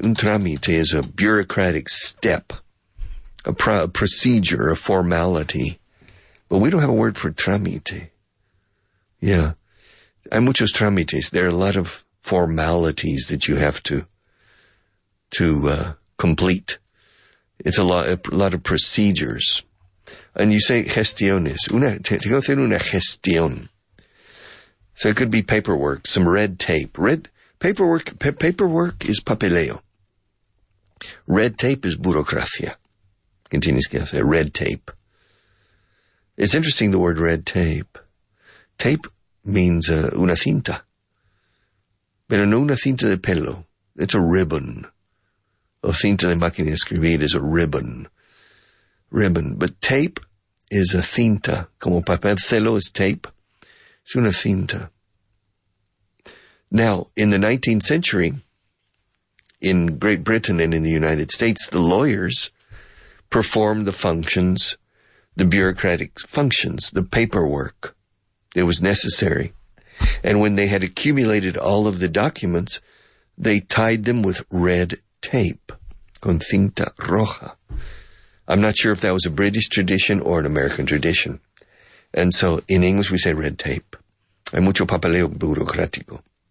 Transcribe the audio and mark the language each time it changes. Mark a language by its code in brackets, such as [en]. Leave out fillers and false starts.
[en] Un trámite is a bureaucratic step. A procedure, a formality. But we don't have a word for trámite. Yeah. [es] Hay muchos trámites. [en] There are a lot of formalities that you have to complete. It's a lot of procedures. And you say gestiones. [es] Tengo que hacer una gestión. [en] So it could be paperwork, some red tape. Paperwork is papeleo. Red tape is burocracia. Continues to say red tape. It's interesting, the word red tape. Tape means una cinta. [es] Pero no una cinta de pelo. [en] It's a ribbon. [es] O cinta de máquina de escribir [en] is a ribbon. Ribbon. But tape is a cinta. [es] Como papel celo [en] is tape. It's una cinta. Now, in the 19th century, in Great Britain and in the United States, the lawyers performed the functions, the bureaucratic functions, the paperwork. It was necessary. And when they had accumulated all of the documents, they tied them with red tape, [es] con cinta roja. [en] I'm not sure if that was a British tradition or an American tradition. And so in English we say red tape. [es] Hay mucho papeleo burocrático.